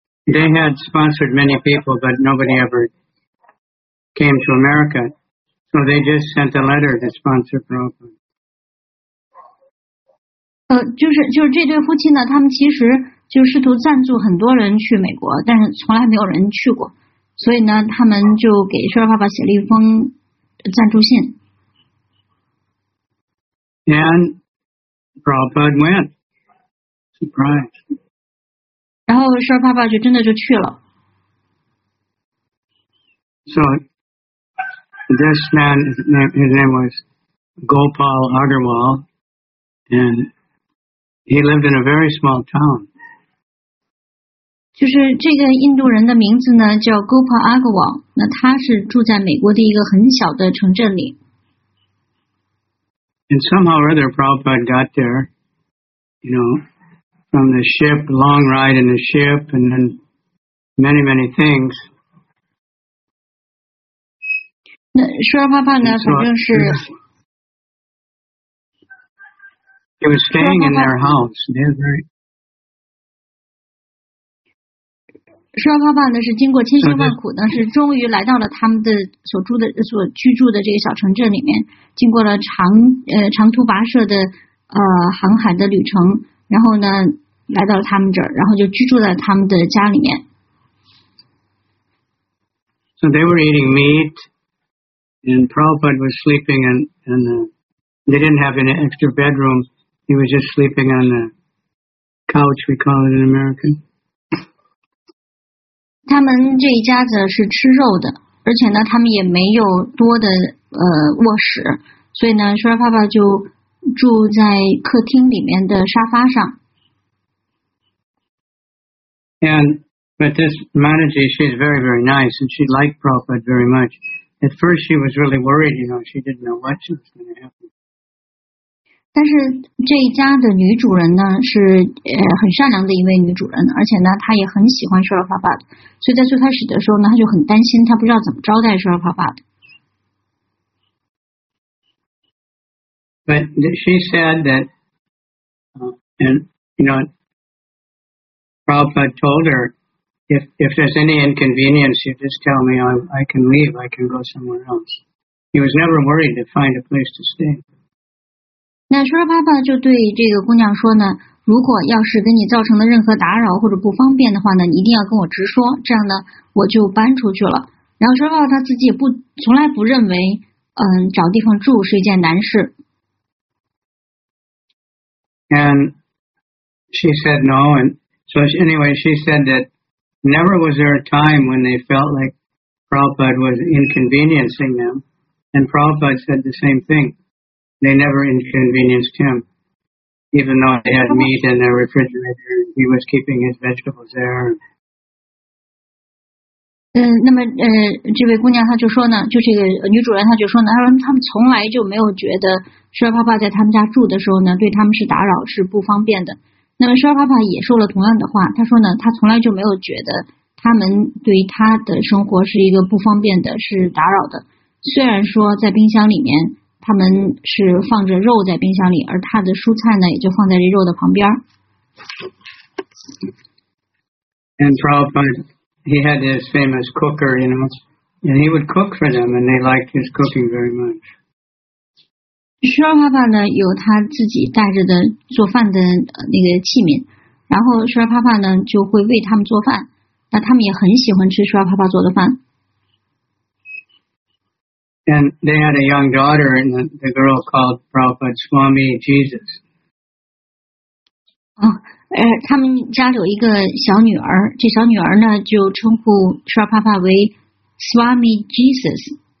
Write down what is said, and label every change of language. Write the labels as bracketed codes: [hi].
[en] They had sponsored many people, but nobody ever came to America. So they just sent a letter to sponsor Prabhupada. [zh] 就是这对夫妻呢，他们其实就试图赞助很多人去美国，但是从来没有人去过。所以呢，他们就给舒拉帕帕写了一封赞助信。 [en] And Prabhupada went. Surprise. [zh] 然后舒拉帕帕就真的就去了。 [en] So this man, his name was Gopal Agarwal, and he lived in a very small town. [zh] 就是这个印度人的名字呢叫 Gopal Agarwal， 那他是住在美国的一个很小的城镇里。 [en] And somehow or other, Prabhupada got there, you know. From the ship, long ride in the ship, and then many, many things. [zh] 那舒拉帕帕呢？反正是。 [en] He was staying in their house. They're very. [zh] 圣帕帕呢是经过千辛万苦呢，是终于来到了他们的所居住的这个小城镇里面，经过了长途跋涉的航海的旅程，然后呢来到了他们这儿，然后就居住在他们的家里面。 [en] So they were eating meat, and Prabhupada was sleeping, and they didn't have an extra bedroom. He was just sleeping on the couch, we call it in America. [zh] 他们这一家子是吃肉的，而且呢，他们也没有多的卧室，所以呢，舒拉帕帕就住在客厅里面的沙发上。 [en] But this Manaji, she's very, very nice, and she liked Prabhupada very much. At first, she was really worried, you know, she didn't know what was going to happen. [zh] 但是这一家的女主人呢，是很善良的一位女主人，而且呢，她也很喜欢舒尔帕巴的。所以在最开始的时候呢，她就很担心，她不知道怎么招待舒尔帕巴的。 [en] But she said that, Prabhupada told her,If there's any inconvenience, you just tell me, I can leave, I can go somewhere else. He was never worried to find a place to stay. [zh] 那舒拉帕帕就对这个姑娘说呢，如果要是给你造成了任何打扰或者不方便的话呢，你一定要跟我直说，这样呢，我就搬出去了。然后舒拉帕帕他自己也从来不认为，找地方住是一件难事。 [en] And she said no, she said that,Never was there a time when they felt like Prabhupada was inconveniencing them. And Prabhupada said the same thing. They never inconvenienced him. Even though they had meat in their refrigerator, he was keeping his vegetables there. [zh] 这位姑娘她就说呢，就这个女主人她就说呢，她说他们从来就没有觉得舒拉帕帕在他们家住的时候呢，对他们是打扰，是不方便的。那么舒尔帕帕也说了同样的话，他说呢，他从来就没有觉得他们对他的生活是一个不方便的，是打扰的。虽然说在冰箱里面，他们是放着肉在冰箱里，而他的蔬菜呢，也就放在这肉的旁边。 [en] And Prabhupada, he had his famous cooker, you know, and he would cook for them, and they liked his cooking very much. [zh] 舒尔帕帕呢有他自己带着的做饭的那个器皿，然后舒尔帕帕呢就会为他们做饭，那他们也很喜欢吃舒尔帕帕做的饭。 [en] And they had a young daughter, and the girl called Prabhupada Swami Jesus. [zh] 他们家有一个小女儿，这小女儿呢就称呼舒尔帕帕为 Swami Jesus。